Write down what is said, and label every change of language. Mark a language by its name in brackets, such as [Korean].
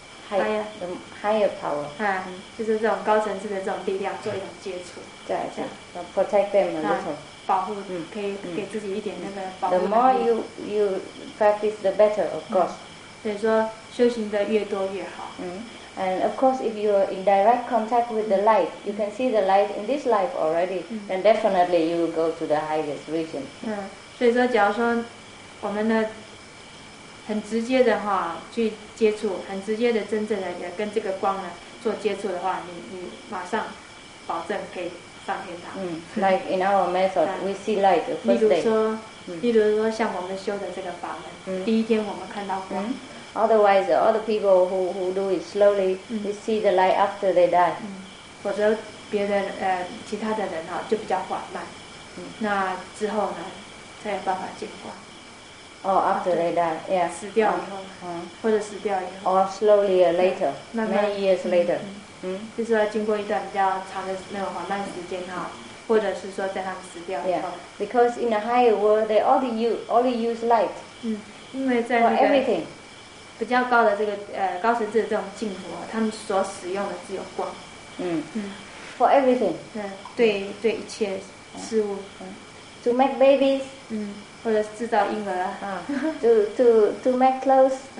[English] higher power， [Chinese] 就是这种高层次的这种力量做一种接触，对，这样 [English] protect them a little， [Chinese] 保护，可以给自己一点那个保护。 [English] The more you practice, the better, of course。 [Chinese] 所以说，修行的越多越好。 [English] And of course, if you are in direct contact with the light, you can see the light in this life already, then definitely you will go to the highest region. [Chinese] 所以说假如说我们呢很直接的哈去接触，很直接的真正的也跟这个光呢做接触的话，你马上保证可以上天堂。 [English] Like in our method, we see light the first day. [Chinese] 例如说像我们修的这个法门，第一天我们看到光。 [English] Otherwise, all the people who do it slowly, they see the light after they die. [Chinese] 否则别人其他的人就比较缓慢。那之后呢，才有办法见光。 [English] After they die, yeah. [Chinese] 死掉以后。或者死掉以后。 [English] Or slowly later, many years later. [Chinese] 就是要经过一段比较长的那种缓慢时间哈。或者是说在他们死掉以后。 [English] Yeah. Because in a higher world, they only use light. [Chinese] 因为在那个。 [English] For everything. [Chinese] 比较高的这个高层次的这种净土，他们所使用的只有光。 [English] For everything. [Chinese] 对一切事物。 [English] To make babies. [Chinese] 或者制造婴儿。 [English] To make clothes.